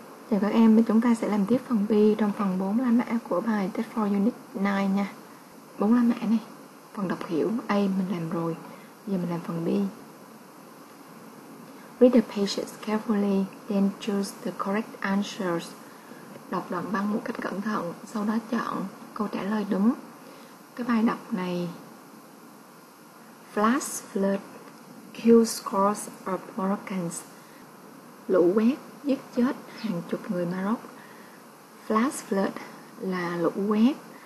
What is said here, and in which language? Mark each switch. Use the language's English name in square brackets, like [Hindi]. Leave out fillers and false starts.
[Vietnamese] Thì các em, chúng ta sẽ làm tiếp phần B trong phần 4 la mã của bài Test for Unit 9 nha. 4 la mã này, phần đọc hiểu A mình làm rồi, giờ mình làm phần B. [English] Read the pages carefully, then choose the correct answers. [Vietnamese] Đọc đoạn văn một cách cẩn thận, sau đó chọn câu trả lời đúng. Cái bài đọc này, [English] Flash flood kills scores of Moroccans. [Vietnamese] Lũ quét giết chết hàng chục người Maroc. Flash flood là lũ quét.